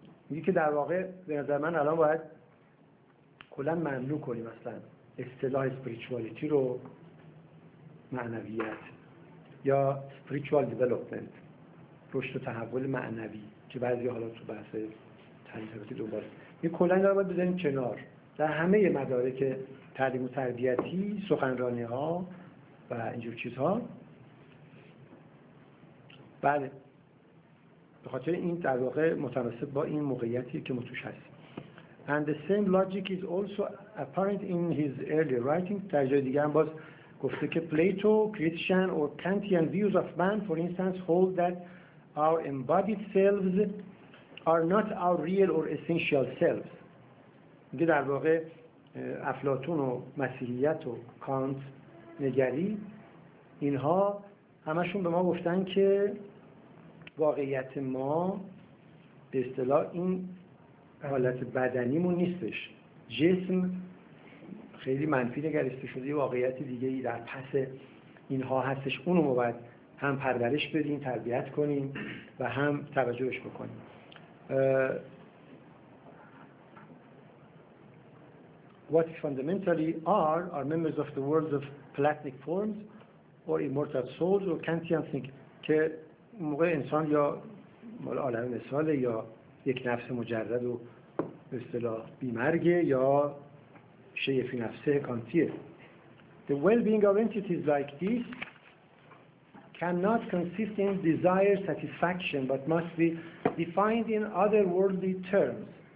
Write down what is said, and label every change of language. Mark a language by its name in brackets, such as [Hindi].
[Persian] میگه که در واقع به نظر من الان باید کلن ممنوع کنیم اصلا اصطلاح spirituality رو، معنویت یا spiritual development، رشد و تحول معنوی که بعضی حالا تو بحث تربیتی دوباره این کلن داره باید بذاریم کنار. در همه مدارک تعلیم و تربیتی، سخنرانی ها و اینجور چیزها، بله، به خاطر این در واقع متناسب با این موقعیتی که ما توش هستیم. [English] And the same logic is also apparent in his early writing. [Persian] در جای دیگه هم باز گفته که [English] Plato, Christian or Kantian views of man for instance hold that our embodied selves are not our real or essential selves. [Persian] میگه در واقع افلاطون و مسیحیت و کانت نگری اینها همشون به ما گفتن که واقعیت ما به اصطلاح این حالت بدنیمون نیستش. جسم خیلی منفی نگریسته شده، یه واقعیت دیگه ای در پس اینها هستش، اونو ما باید هم پرورش بدیم، تربیت کنیم و هم توجهش بکنیم. [English] What fundamentally are members of the worlds of platonic forms or immortal souls or Kantian thinking. [Persian] که موقع انسان یا مال عالم مثاله یا یک نفس مجرد و به اصطلاح بیمرگه یا شیء فی نفسه کانتیه. [English] The well-being of entities like this cannot consist in desire satisfaction but must be defined in otherworldly terms.